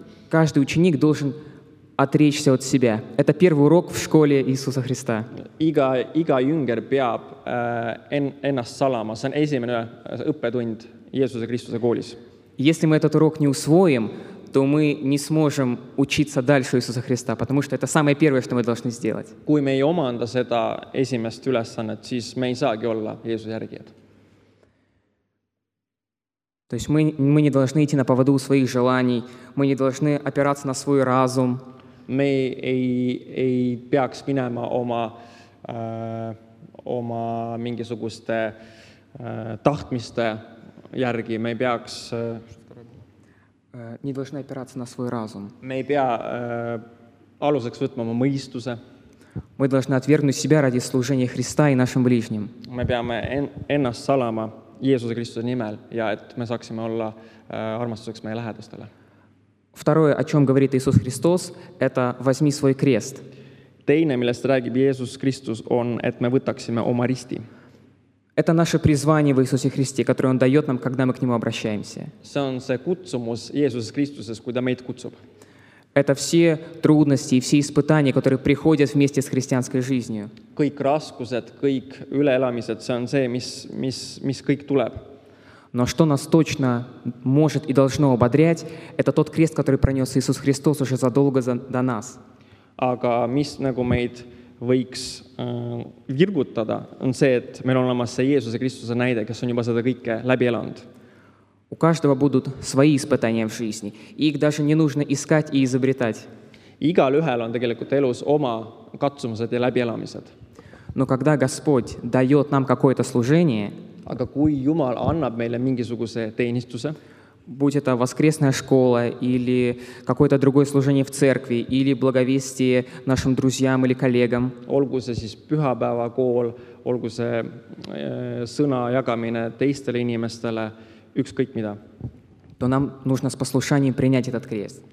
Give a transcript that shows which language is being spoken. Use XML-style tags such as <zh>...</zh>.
<ru>Каждый ученик должен отречься от себя. Это первый урок в школе Иисуса Христа.</ru> <et>Iga jünger peab ennast salama. See on esimene õppetund Jeesuse Kristuse koolis.</et> <ru>Если мы этот урок не усвоим, то мы не сможем учиться дальше Иисуса Христа, потому что это самое первое, что мы должны сделать.</ru> <et>Kui me ei omanda seda esimest ülesannet, siis me ei saagi olla Jeesuse järgijad.</et> <ru>То есть мы не должны идти на поводу своих желаний, мы не должны опираться на свой разум.</ru> <et>Me ei peaks minema oma mingisuguste tahtmiste järgi, me ei peaks...</et> <ru>Не должны опираться на свой разум.</ru> <et>Me ei pea aluseks võtma oma mõistuse.</et> <ru>Мы должны отвергнуть себя ради служения Христа и нашим ближним.</ru> <et>Me peame ennast salama Jeesuse Kristuse nimel, ja et me saaksime olla armastuseks meie lähedastele.</et> <ru>Второе, о чем говорит Иисус Христос, это «возьми свой крест».</ru> <et>Teine, millest räägib Jeesus Kristus, on, et me võtaksime oma risti.</et> <ru>Это наше призвание в Иисусе Христе, которое Он дает нам, когда мы к Нему обращаемся.</ru> <et>See on see kutsumus Jeesuses Kristuses, kui ta meid kutsub.</et> <ru>Это все трудности и все испытания, которые приходят вместе с христианской жизнью.</ru> <et>Kõik raskused, kõik üleelamised, see on see, mis kõik tuleb.</et> <ru>Но что нас точно может и должно ободрять, это тот крест, который пронес Иисус Христос уже задолго до нас.</ru> <et>Aga mis nagu meid võiks virgutada, on see, et meil on olemas see Jeesuse Kristuse näide, kes on juba seda kõike läbi elanud.</et> <ru>У каждого будут свои испытания в жизни. Их даже не нужно искать и изобретать.</ru> <et>Igal ühel on tegelikult elus oma katsumused ja läbielamised.</et> <ru>Но когда Господь дает нам какое-то служение,</ru> <et>aga kui Jumal annab meile mingisuguse teenistuse,</et> <ru>будь это воскресная школа или какое-то другое служение в церкви или благовестие нашим друзьям или коллегам.</ru> <et>Olgu see siis pühapäeva kool, olgu see sõna jagamine teistele inimestele, ükskõik mida.</et> <ru>То нам нужно с послушанием принять этот крест.</ru>